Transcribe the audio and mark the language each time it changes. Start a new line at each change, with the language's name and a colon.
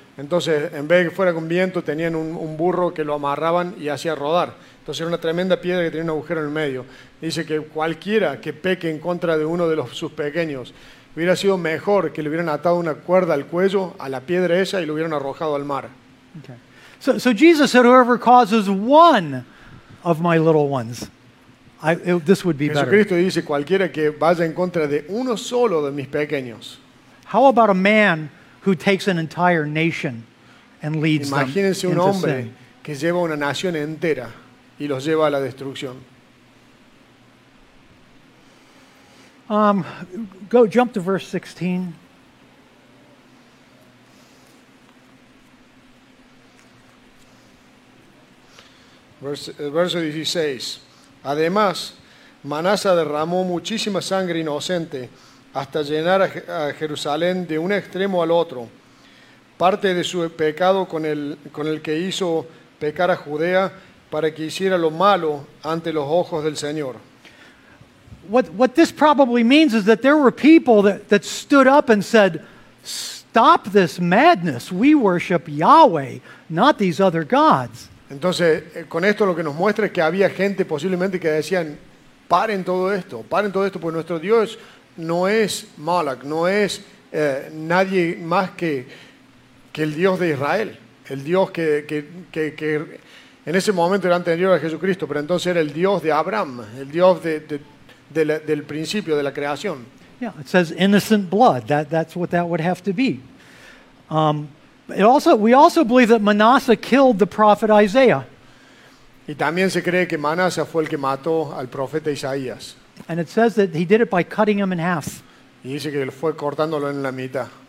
Spanish: Entonces, en vez de que fuera con viento, tenían un burro que lo amarraban y hacía rodar. Entonces, era una tremenda piedra que tenía un agujero en el medio. Dice que cualquiera que peque en contra de uno de sus pequeños, hubiera sido mejor que le hubieran atado una cuerda al cuello, a la piedra esa, y lo hubieran arrojado al mar.
English: Okay. So Jesus said, whoever causes one of my little ones, this would be better.
Spanish: Jesucristo dice, cualquiera que vaya en contra de uno solo de mis pequeños.
English: How about a man who takes an entire nation and leads them into sin?
Spanish: Imagínense un hombre que lleva una nación entera y los lleva a la destrucción.
English: Go jump to verse 16.
Spanish: Verso 16. Además, Manasseh derramó muchísima sangre inocente hasta llenar a Jerusalén de un extremo al otro. Parte de su pecado con el que hizo pecar a Judea para que hiciera lo malo ante los ojos del Señor.
English: What this probably means is that there were people that stood up and said, "Stop this madness. We worship Yahweh, not these other gods."
Spanish: Entonces, con esto lo que nos muestra es que había gente posiblemente que decían, paren todo esto, porque nuestro Dios no es Moloch, no es nadie más que el Dios de Israel, el Dios que en ese momento era anterior a Jesucristo, pero entonces era el Dios de Abraham, el Dios del principio de la creación.
English: Yeah, it says innocent blood, that's what that would have to be. We also believe that Manasseh killed the prophet Isaiah.
Spanish: Y también se cree que Manasseh fue el que mató al profeta Isaías.
English: And it says that he did it by cutting him in half.
Spanish: Y dice que fue cortándolo en la mitad.